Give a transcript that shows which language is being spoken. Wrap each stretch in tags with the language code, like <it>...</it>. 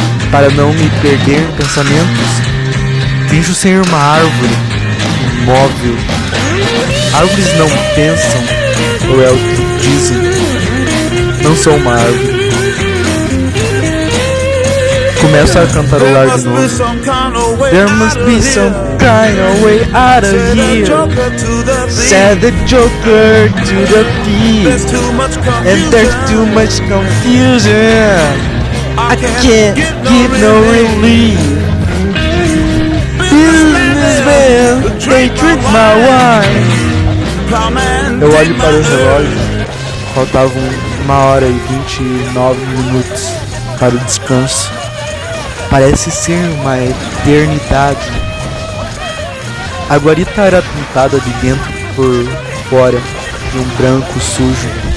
<pt>Para não me perder em pensamentos, finjo ser uma árvore, imóvel. Árvores não pensam, ou é o que dizem. Não sou uma árvore. Começo a cantarolar de novo.</pt> <en>There must be some kind of way out of here. Send the Joker to the thief. And there's too much confusion. I can't give no relief. Businessman, they drink my wine.</en> <pt>Eu olho para o relógio. Faltavam 1h29 para o descanso. Parece ser uma eternidade. A guarita era pintada de dentro por fora de um branco sujo.</pt>